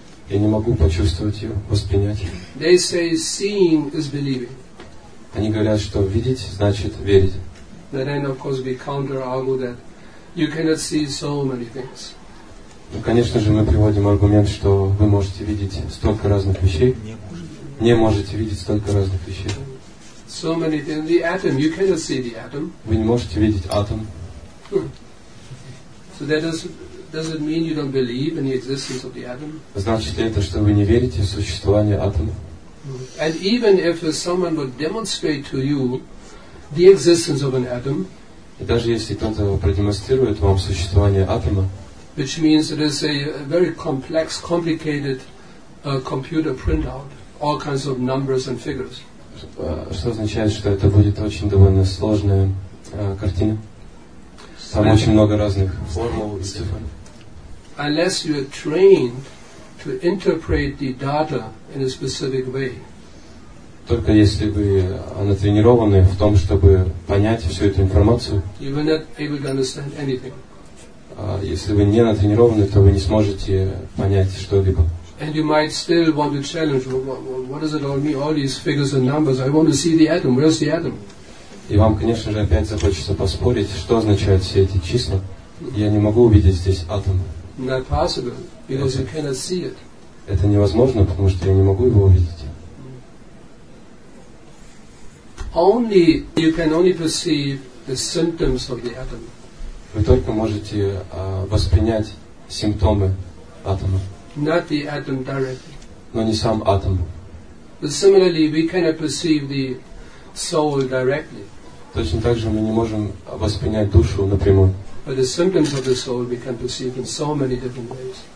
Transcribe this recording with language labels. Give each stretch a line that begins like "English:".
Russian: Я не могу почувствовать ее, воспринять ее.
English: They say seeing is believing.
Russian: Они говорят, что видеть значит верить.
English: And then, of course, we counter argue that you cannot see so many things.
Russian: Ну, конечно же, мы приводим аргумент, что вы можете видеть столько разных вещей. Не можете видеть столько разных вещей.
English: So many things. The atom. You cannot see the atom.
Russian: Вы не можете видеть атом.
English: So that is does it mean you don't believe in the existence of the atom?
Russian: Значит ли это, что вы не верите в существование атома?
English: And even if someone would demonstrate to you the existence of an atom,
Russian: и даже если кто-то продемонстрирует вам существование атома,
English: which means it is a very complex, complicated computer printout, all kinds of numbers and figures.
Russian: Что означает, что это будет очень довольно сложная картина? Там очень много разных формул и цифр.
English: Unless you are trained to interpret the data in a specific way.
Russian: Только если вы натренированы в том, чтобы понять всю эту информацию.
English: You will not be able to understand anything.
Russian: Если вы не натренированы, то вы не сможете понять что-либо.
English: And you might still want to challenge, what does it all mean, all these figures and numbers, I want to see the atom, where's the atom?
Russian: И вам, конечно же, опять захочется поспорить, что означают все эти числа. Я не могу увидеть здесь атом.
English: Not possible, because you cannot see it.
Russian: Это невозможно, потому что я не могу его увидеть.
English: Only, you can only perceive the symptoms of the atom.
Russian: Вы только можете воспринять симптомы атома.
English: Not the atom directly.
Russian: Но не сам атом.
English: But similarly, we cannot perceive the soul directly.
Russian: Точно так же мы не можем воспринять душу напрямую.
English: But the symptoms of the soul we can perceive in so many different ways.